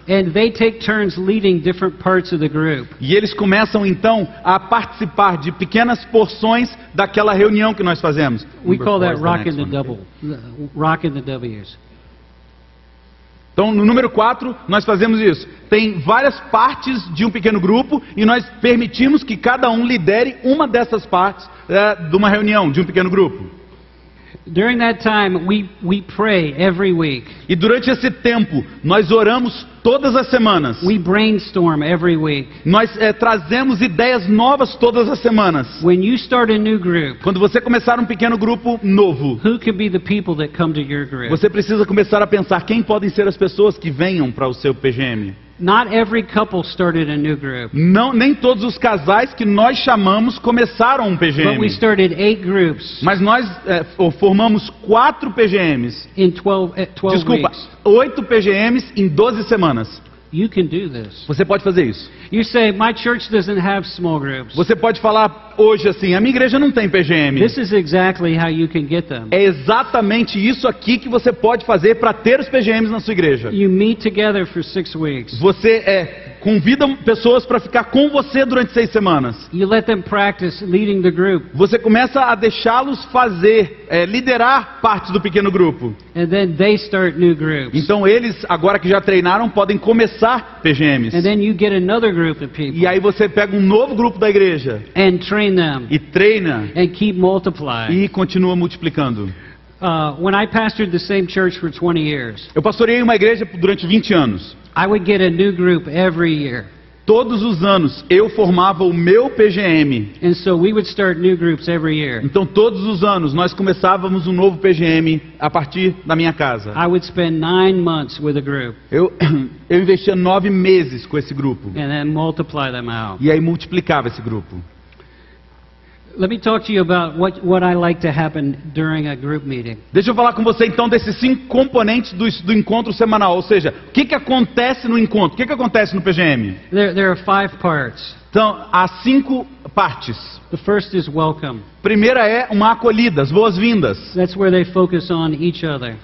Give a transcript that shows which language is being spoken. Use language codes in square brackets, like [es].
[en] And they take turns leading different parts of the group. [pt] E eles começam então a participar de pequenas porções daquela reunião que nós fazemos. [en] We call that rocking the double, rocking the W's. [pt] Então, no número 4, nós fazemos isso. Tem várias partes de um pequeno grupo e nós permitimos que cada um lidere uma dessas partes de uma reunião, de um pequeno grupo. [en] During that time, we pray every week. [pt] E durante esse tempo, nós oramos todas as semanas. [en] We brainstorm every week. [pt] Nós trazemos ideias novas todas as semanas. [en] When you start a new group, [pt] quando você começar um pequeno grupo novo, [en] who can be the people that come to your group? [pt] Você precisa começar a pensar quem podem ser as pessoas que venham para o seu PGM. [en] Not every couple started a new group. [pt] Não, nem todos os casais que nós chamamos começaram um PGM. [en] But we started 8 groups. [pt] Mas nós formamos 4 PGMs. [en] In 12 [pt] desculpa, [en] weeks. [pt] 8 PGMs em 12 semanas. [en] You can do this. [pt] Você pode fazer isso. [en] You say, my church doesn't have small groups. [pt] Você pode falar hoje assim: a minha igreja não tem PGM. [en] This is exactly how you can get them. [pt] É exatamente isso aqui que você pode fazer para ter os PGMs na sua igreja. [en] You meet together for 6 weeks. [pt] Você convida pessoas para ficar com você durante 6 semanas. [en] You let them practice leading the group. [pt] Você começa a deixá-los fazer, liderar parte do pequeno grupo. [en] And then they start new groups. [pt] Então eles, agora que já treinaram, podem começar PGMs. [en] And then you get another group of people. [pt] E aí você pega um novo grupo da igreja. [en] And train them. [pt] E treina. [en] And keep multiplying. [pt] E continua multiplicando. [en] When I pastored the same church for 20 years. [pt] Eu pastoreei uma igreja durante 20 anos. [en] I would get a new group every year. [pt] Todos os anos eu formava o meu PGM. [en] And so we would start new groups every year. [pt] Então todos os anos nós começávamos um novo PGM a partir da minha casa. [en] I would spend 9 months with a group. [pt] Eu investia 9 meses com esse grupo. [en] And then multiply them out. [pt] E aí multiplicava esse grupo. [en] Let me talk to you about what I like to happen during a group meeting. [pt] Deixa eu falar com você então desses 5 componentes do encontro semanal, ou seja, o que que acontece no encontro? O que que acontece no PGM? [en] There are 5 parts. [pt] Então, há 5 partes. [en] The first is welcome. [pt] Primeira é uma acolhida, as boas-vindas. [en] That's where they focus on each other.